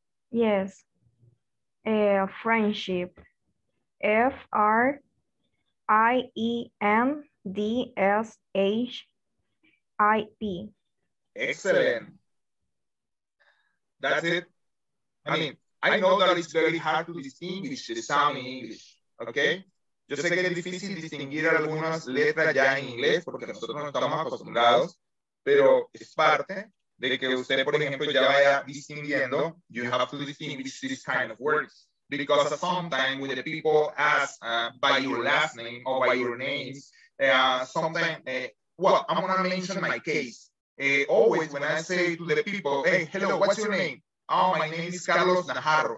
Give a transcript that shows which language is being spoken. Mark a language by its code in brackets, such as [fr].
[en] Yes. Friendship. F R I E N D S H I P. Excellent. That's it. I mean, I know that it's very hard to distinguish the sound in English. Okay? [es] Yo sé que es difícil distinguir algunas letras ya en inglés porque nosotros no estamos acostumbrados, pero es parte de que usted, por ejemplo, ya vaya distinguiendo. [en] You have to distinguish this kind of words. Because sometimes when the people ask by your last name or by your name, I'm going to mention my case. Always when I say to the people, hey, hello, what's your name? Oh, my name is Carlos Najarro.